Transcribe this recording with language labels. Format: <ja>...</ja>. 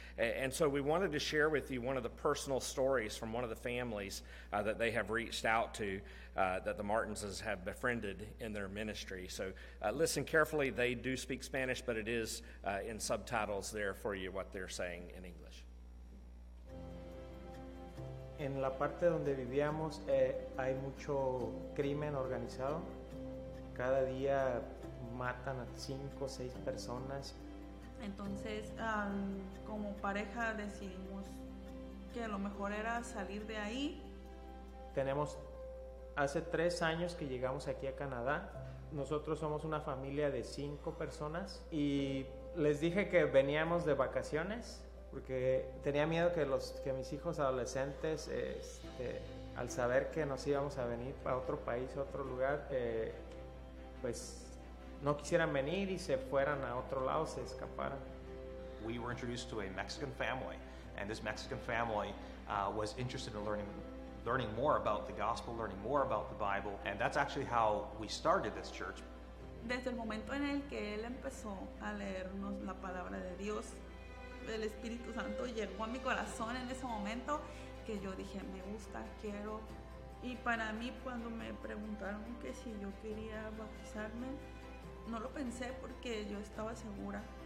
<en>And so we wanted to share with you one of the personal stories from one of the families that they have reached out to, that the Martinses have befriended in their ministry. So listen carefully. They do speak Spanish, but it is in subtitles there for you what they're saying in English.</en> <es>En la parte donde vivíamos hay mucho crimen organizado. Cada día matan a 5 o 6 personas. Entonces, como pareja decidimos que lo mejor era salir de ahí. Tenemos hace 3 años que llegamos aquí a Canadá. Nosotros somos una familia de 5 personas y les dije que veníamos de vacaciones. Porque tenía miedo que mis hijos adolescentes, al saber que nos íbamos a venir a otro país, a otro lugar, pues no quisieran venir y se fueran a otro lado, se escaparan.</es> <en>We were introduced to a Mexican family, and this Mexican family was interested in learning more about the gospel, learning more about the Bible, and that's actually how we started this church.</en> <es>Desde el momento en el que él empezó a leernos la palabra de Dios, el Espíritu Santo llegó a mi corazón en ese momento que yo dije, me gusta, quiero. Y para mí, cuando me preguntaron que si yo quería bautizarme, no lo pensé porque yo estaba segura.</es>